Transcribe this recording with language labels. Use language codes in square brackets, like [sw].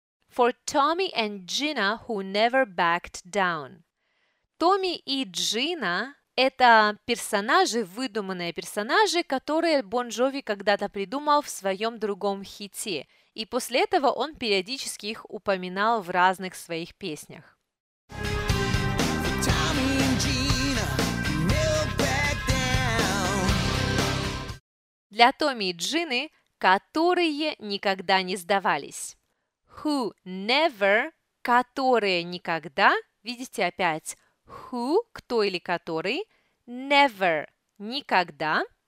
[en] For Tommy and Gina, who never backed down. [ru] Томми и Джина – это персонажи, выдуманные персонажи, которые Бон Джови когда-то придумал в своем другом хите. И после этого он периодически их упоминал в разных своих песнях. [en] Tommy and Gina never backed down. [ru] Для Томми и Джины, которые никогда не сдавались. [en] Who never, [ru] которые никогда, видите опять, who, кто или который, never, никогда.